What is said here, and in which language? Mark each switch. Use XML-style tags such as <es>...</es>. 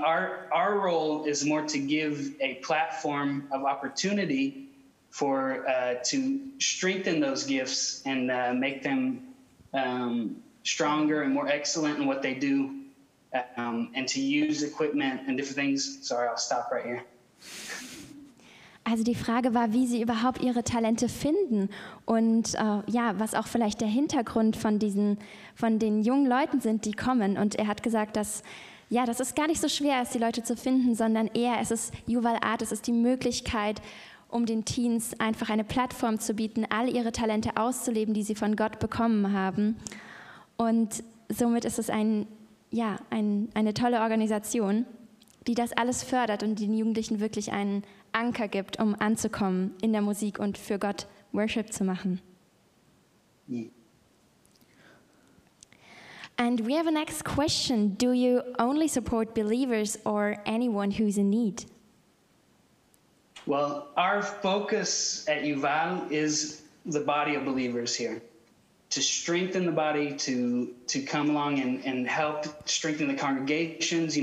<en>Our role is more to give a platform of opportunity for to strengthen those gifts and make them stronger and more excellent in what they do, and to use equipment and different things. Sorry, I'll stop right here.</en> <de>Also die Frage war, wie sie überhaupt ihre Talente finden und ja, was auch vielleicht der Hintergrund von den jungen Leuten sind, die kommen. Und er hat gesagt, dass ja, das ist gar nicht so schwer, ist die Leute zu finden, sondern eher es ist UVAL Art, es ist die Möglichkeit, um den Teens einfach eine Plattform zu bieten, all ihre Talente auszuleben, die sie von Gott bekommen haben. Und somit ist es eine tolle Organisation, die das alles fördert und den Jugendlichen wirklich einen Anker gibt, um anzukommen in der Musik und für Gott Worship zu machen.</de> <en>Yeah. And we have a next question. Do you only support believers or anyone who's in need? Well, our focus at Yuval is the body of believers here, to strengthen the body, to come along and help strengthen the congregations.</en>